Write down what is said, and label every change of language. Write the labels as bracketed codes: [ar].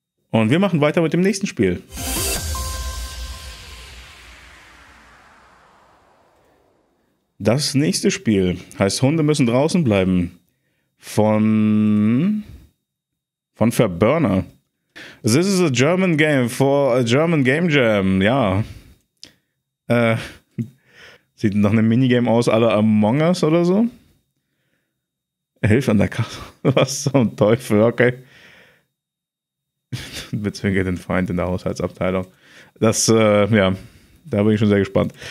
[de] Und wir machen weiter mit dem nächsten Spiel. Das nächste Spiel heißt Hunde müssen draußen bleiben von Verburner. [en] This is a German game for a German game jam. [de] Ja, sieht nach einem Minigame aus, alle Among Us oder so. Hilf an der Kasse. Was zum Teufel, okay. Bezwinge den Feind in der Haushaltsabteilung. Das, ja, da bin ich schon sehr gespannt.